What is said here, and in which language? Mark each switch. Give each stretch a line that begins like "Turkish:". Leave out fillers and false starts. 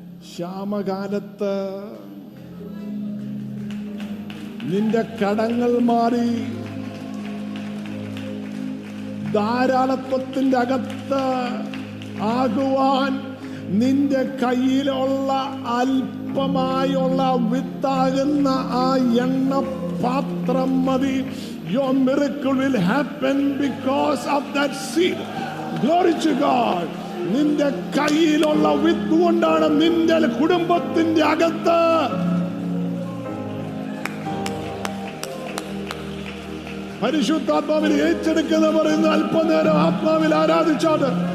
Malayalam: ശ്യാമകാലത്ത് നിന്റെ കടങ്ങൾ മാറി ധാരാളത്വത്തിന്റെ അകത്ത് ആകുവാൻ നിന്റെ കയ്യിലുള്ള അല്പമായുള്ള വിത്താകുന്ന ആ എണ്ണ പാത്രം മതി.
English: Your miracle will happen because of that seed. Glory to God.
Malayalam: നിന്റെ കയ്യിലുള്ള വിത്ത് കൊണ്ടാണ് നിന്റെ കുടുംബത്തിന്റെ അകത്ത്. പരിശുദ്ധാത്മാവിൽ ഏറ്റെടുക്കുന്ന പറയുന്ന അല്പനേരം ആത്മാവിൽ ആരാധിച്ചാട്.